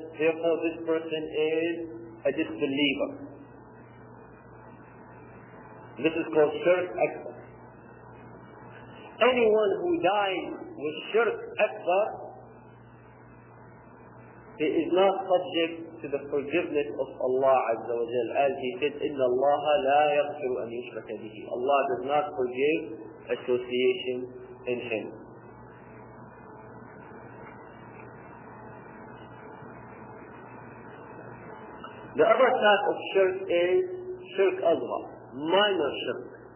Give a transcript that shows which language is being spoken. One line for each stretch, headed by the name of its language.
English: Therefore this person is a disbeliever. This is called shirk akbar. Anyone who dies with shirk akbar, he is not subject to the forgiveness of Allah Azza wa Jal. As he said,
Arabic: إِنَّ اللَّهَ لَا يَغْفِرُ أَنْ يُشْرَكَ بِهِ.
English: Allah does not forgive association in him. The other type of shirk is shirk asghar, minor shirk.